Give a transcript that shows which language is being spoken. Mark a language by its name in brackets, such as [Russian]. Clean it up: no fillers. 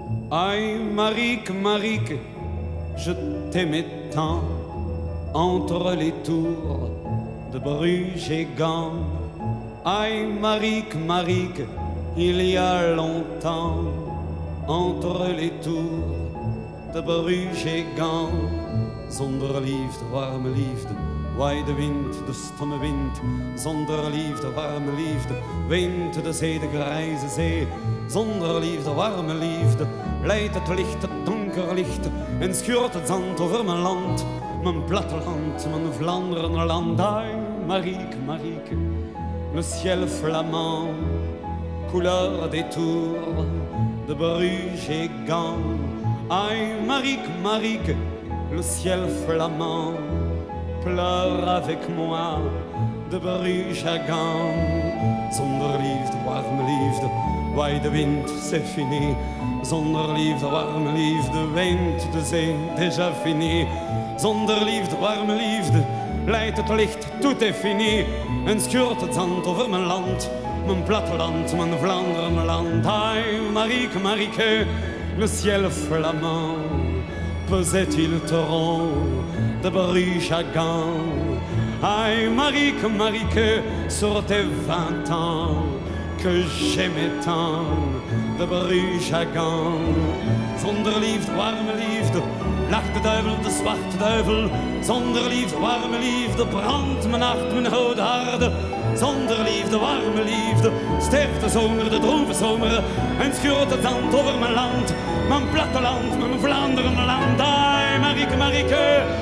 [French] Aïe, Marique, Marique, je t'aimais tant entre les tours de Bruges et Gand. Aïe, Marique, Marique, il y a longtemps entre les tours de Bruges et Gand. [Dutch] Zonder liefde, warme liefde, waai de wind, de stomme wind. Zonder liefde, warme liefde, wind de zee, de grijze zee. Zonder liefde, warme liefde, leidt het licht, het donker licht. En schuurt het zand over mijn land, mijn platteland, mijn Vlaanderen land. [French] Ai, Marieke, Marieke, le ciel flamand, couleur des tours de Bruges et Gand. Ai, Marieke, Marieke, le ciel flamand, pleure avec moi de Bruges à Gand. [Dutch] Zonder liefde, warme liefde, waai de wind, [French] c'est fini. [Dutch] Zonder liefde, warme liefde, wind de zee, [French] déjà fini. [Dutch] Zonder liefde, warme liefde, leidt het licht, [French] tout est fini. [Dutch] En schuurt het zand over mijn land, mijn platteland, mijn Vlaanderen land. [French] Ai, Marieke, Marieke, le ciel flamand, pesait-il te rond de Bruges à Gand. Ai, Marieke, Marieke, sur tes 20 ans que j'aimais tant de Bruges à Gand. [Dutch] Zonder liefde, warme liefde, lacht de duivel, de zwarte duivel. Zonder liefde, warme liefde, brandt mijn hart, mijn oude harde. Zonder liefde, warme liefde, sterft de zomer, de droeve zomer. En schuurt het zand over mijn land, mijn platteland, mijn Vlaanderenland. Ai, Marieke, Marieke,